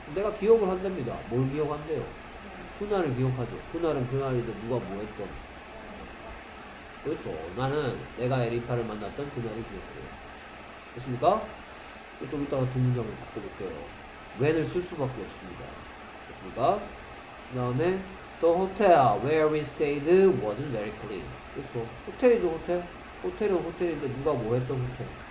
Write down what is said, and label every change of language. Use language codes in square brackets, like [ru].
[ko] 내가 기억을 한답니다. 뭘 기억한대요? 그날을 기억하죠. 그날은 그날이든 누가 뭐 했던. 그렇죠. 나는 내가 에리카를 만났던 그날을 기억해요. 그렇습니까? 좀 이따가 두 문장을 바꿔볼게요. when을 쓸 수밖에 없습니다. 그렇습니까? 그 다음에 [en] The hotel where we stayed wasn't very clean. [ko] 그렇죠. 호텔이죠, 호텔. 호텔은 호텔인데 누가 뭐 했던 호텔.